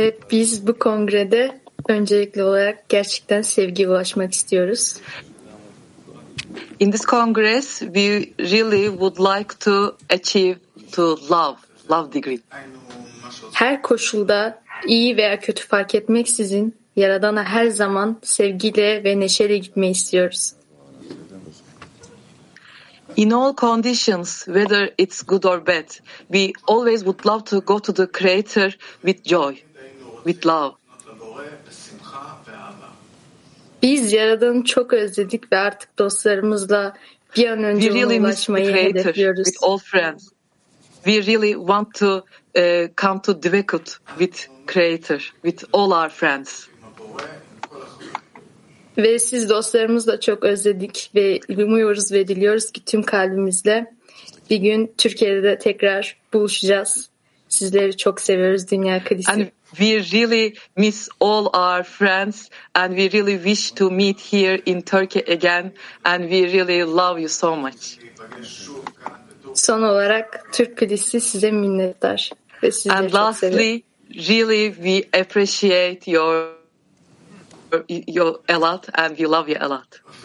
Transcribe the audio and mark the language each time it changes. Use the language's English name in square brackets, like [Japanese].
[Turkish] Biz bu kongrede öncelikli olarak gerçekten sevgiye ulaşmak istiyoruz. [English] In this congress, we really would like to achieve to love degree. [Turkish] Her koşulda iyi veya kötü fark etmeksizin Yaradan'a her zaman sevgiyle ve neşeyle gitmeyi istiyoruz. [English] In all conditions, whether it's good or bad, we always would love to go to the Creator with joy. With love. [Turkish] Biz Yaradan'ı çok özledik ve artık dostlarımızla bir an önce [English] we really [Turkish] ulaşmayı hedefliyoruz. [English] With all friends. We really want to come to Dvekut with Creator, with all our friends. [Turkish] Ve siz dostlarımızla çok özledik ve umuyoruz ve diliyoruz ki tüm kalbimizle bir gün Türkiye'de de tekrar buluşacağız. Sizleri çok seviyoruz Dünya Kadisi. [English] And we really miss all our friends and we really wish to meet here in Turkey again and we really love you so much. [Turkish] Son olarak Türk Kadisi size minnettar [English] And lastly, really, we appreciate your a lot, and we love you a lot.